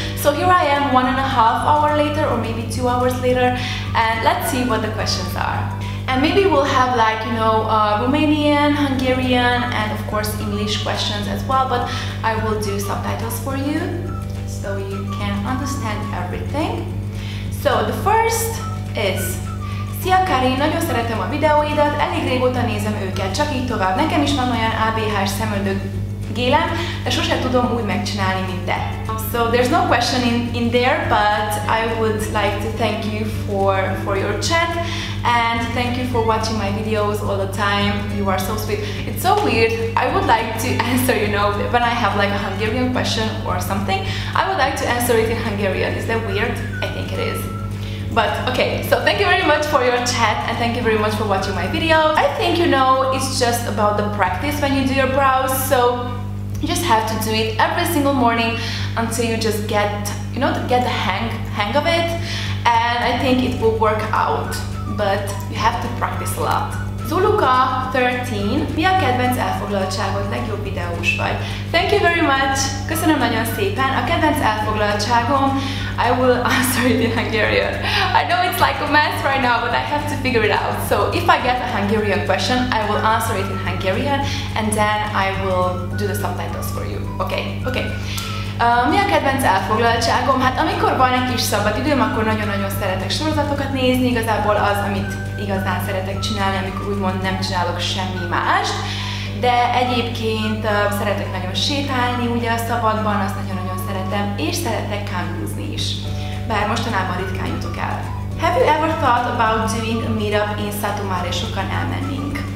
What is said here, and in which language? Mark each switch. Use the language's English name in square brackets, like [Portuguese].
[English] So here I am, 1.5 hours later, or maybe 2 hours later, and let's see what the questions are. And maybe we'll have, like, you know, Romanian, Hungarian, and of course English questions as well, but I will do subtitles for you so you can understand everything. So the first is: [Hungarian] Szia Karin, nagyon szeretem a videóidat, elég régóta nézem őket, csak így tovább. Nekem is van olyan ABH-s szemöldök gélem, de sosem tudom úgy megcsinálni, mint te. [English] So there's no question in there, but I would like to thank you for your chat, and thank you for watching my videos all the time. You are so sweet. It's so weird. I would like to answer, you know, when I have like a Hungarian question or something, I would like to answer it in Hungarian. Is that weird? I think it is. But okay, so thank you very much for your chat, and thank you very much for watching my videos. I think, you know, it's just about the practice when you do your brows, so you just have to do it every single morning until you just get the hang of it, and I think it will work out, but you have to practice a lot. Zuluka 13. [Hungarian] Mi a kedvenc elfoglaltságod, legjobb videós vagy? [English] Thank you very much. [Hungarian] Köszönöm nagyon szépen. A kedvenc elfoglaltságom, [English] I will answer it in Hungarian. I know it's like a mess right now, but I have to figure it out. So if I get a Hungarian question, I will answer it in Hungarian, and then I will do the subtitles for you. Okay? Okay. [Hungarian] Mi a kedvenc elfoglaltságom? Hát amikor van egy kis szabad időm, akkor nagyon-nagyon szeretek sorozatokat nézni. Igazából az, amit igazán szeretek csinálni, amikor úgymond nem csinálok semmi mást. De egyébként szeretek nagyon sétálni ugye a szabadban, azt nagyon-nagyon szeretem, és szeretek kampúzni is. Bár mostanában ritkán jutok el. [English] Have you ever thought about doing a meetup in Satu Mare? [Hungarian] Sokan elmennénk.